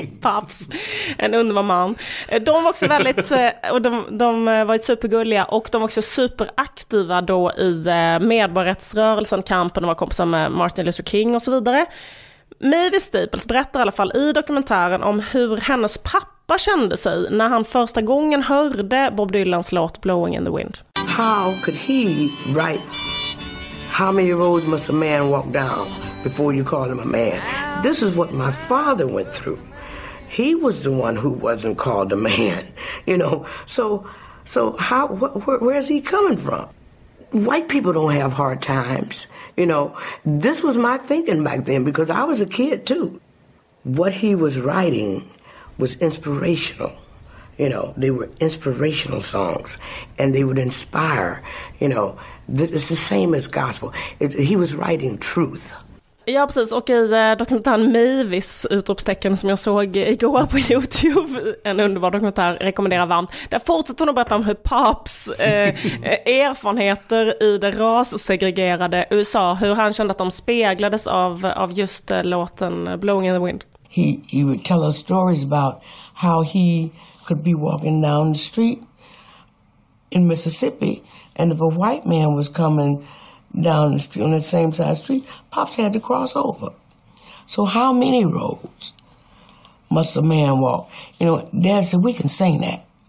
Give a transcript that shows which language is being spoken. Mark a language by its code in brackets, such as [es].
[sv] Pops, en underbar man. De var också väldigt, och de var supergulliga, och de var också superaktiva då i medborgarrättsrörelsen, kampen, och var kompisar med Martin Luther King och så vidare. Mavis Staples berättar i alla fall i dokumentären om hur hennes pappa kände sig när han första gången hörde Bob Dylans låt Blowing in the Wind. [en] How could he write How many roads must a man walk down before you call him a man? This is what my father went through. He was the one who wasn't called a man, you know. So where is he coming from? White people don't have hard times, you know. This was my thinking back then, because I was a kid too. What he was writing was inspirational. You know, they were inspirational songs, and they would inspire, you know. It's the same as gospel. He was writing truth. [sv] Ja, precis. Och i dokumentären Mavis, utropstecken, som jag såg igår på YouTube, en underbar dokumentär, rekommenderar varmt. Där fortsätter hon att berätta om hur Pops erfarenheter i det rassegregerade USA, hur han kände att de speglades av just låten Blowing in the Wind. [en] He would tell us stories about how he could be walking down the street in Mississippi, and if a white man was coming down the street on the same side street, Pops had to cross over. So how many roads must a man walk? You know, Dad said, we can sing that.